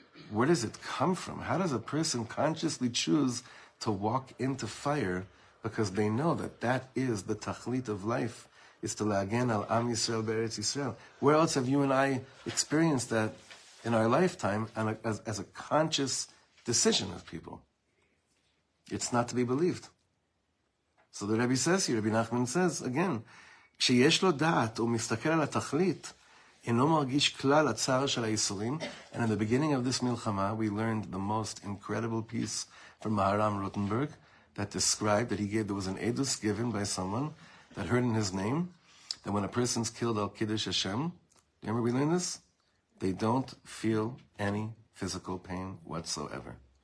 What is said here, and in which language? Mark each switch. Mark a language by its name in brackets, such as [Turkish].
[English] Where does it come from? How does a person consciously choose to walk into fire because they know that that is the tachlit of life? Is to [Hebrew] la'agen al Am Yisrael be'eretz Yisrael. [English] Where else have you and I experienced that in our lifetime and as a conscious decision of people? It's not to be believed. So the Rebbe says here, Rebbe Nachman says, again, [Hebrew] כשיש לו דעת ומסתכל על התכלית, אינו מרגיש כלל הצער של היסורים. [English] And in the beginning of this milchama, we learned the most incredible piece from Maharam Rotenberg that described, that he gave, there was an edus given by someone that heard in his name, that when a person's killed al Kiddush Hashem, remember we learned this? They don't feel any physical pain whatsoever.